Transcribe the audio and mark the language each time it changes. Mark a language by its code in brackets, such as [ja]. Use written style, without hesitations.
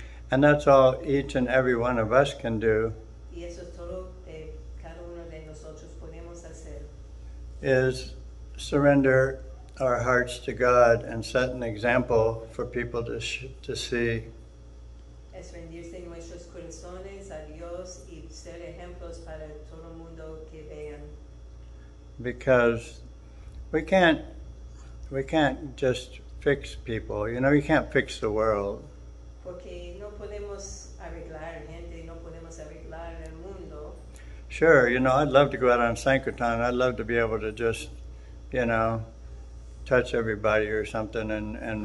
[en] And that's all each and every one of us can do. [es] Y eso es todo que cada uno de nosotros podemos hacer. [en] Is surrender our hearts to God and set an example for people to see. [es] Es rendirse nuestros corazones a Dios y ser ejemplos para todo mundo que vean. [en] Because we can't just fix people. You know, you can't fix the world. [es] Porque no podemos arreglar gente, no podemos arreglar el mundo. [en] Sure, you know, I'd love to go out on Sankirtan. I'd love to be able to just, you know, touch everybody or something and